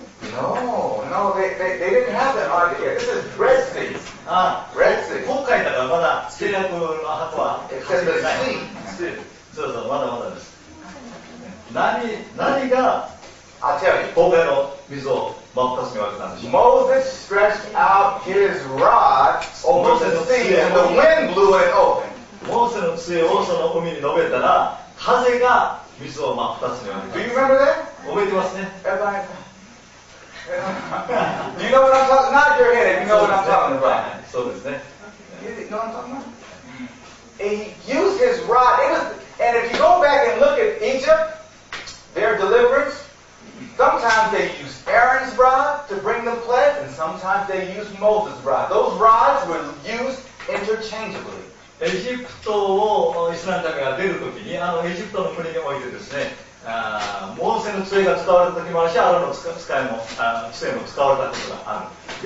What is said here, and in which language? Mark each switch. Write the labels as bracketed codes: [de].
[en] No, they didn't have that ark yet. This is Red Sea. Red Sea. [ja] 今回だからまだ契約の箱は [en] It says the sea. [ja] そうそう、まだまだです。何が [en] I'll tell you. [ja] 崩壊の水を真っ二つに分けたんでしょう。 [en] Moses stretched out his rod over the sea and the wind blew it open. [ja] モーセの杖をその海に伸べたら風が水を真っ二つに分けた。 [en] Do you remember that? [ja] 覚えてますね。 [en] Everybody. Do you know what I'm talking about? Not your head. You know what I'm talking about. [ja] そうですね。 [en] You know what I'm talking about? He used his rod. And if you go back and look at Egypt,Their deliverance. Sometimes they used Aaron's rod to bring them plagues, and sometimes they used Moses' rod. Those rods were used interchangeably. [ja] エジプトをイスラエル民が出るときに、エジプトの国においてですね、モーセの杖が使われた時もあるし、アロンの杖も使われたことがある。